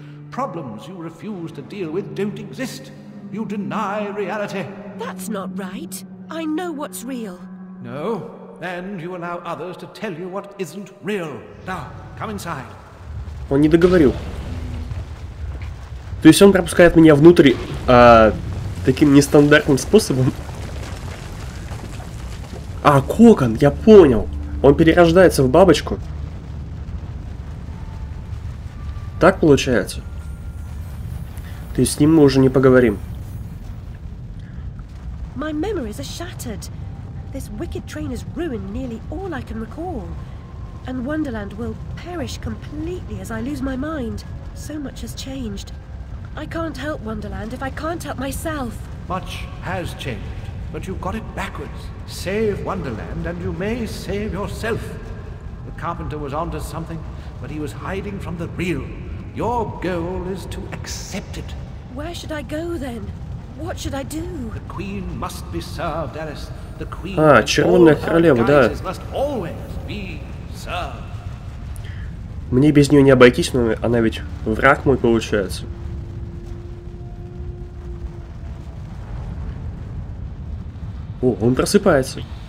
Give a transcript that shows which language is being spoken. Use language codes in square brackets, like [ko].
[en] Problems you refuse to deal with don't exist. You deny reality. That's not right. I know what's real. No? Then you allow others to tell you what isn't real. Now, come inside. [ru] Он не договорил. То есть он пропускает меня внутрь таким нестандартным способом. А, кокон, я понял. Он перерождается в бабочку. Так получается? То есть с ним мы уже не поговорим. [en] My memories are shattered. This wicked train has ruined nearly all I can recall. And Wonderland will perish completely as I lose my mind. So much has changed. I can't help Wonderland if I can't help myself. Much has changed, but you got it backwards. Save Wonderland and you may save yourself. The carpenter was onto something, but he was hiding from the real. Your goal is to accept it. Where should I go then? What should I do? The queen must be served, Alice. The queen. [ru] А, червонная королева, да. [en] Must always be served. [ru] Мне без нее не обойтись, но она ведь враг мой получается. О, он просыпается.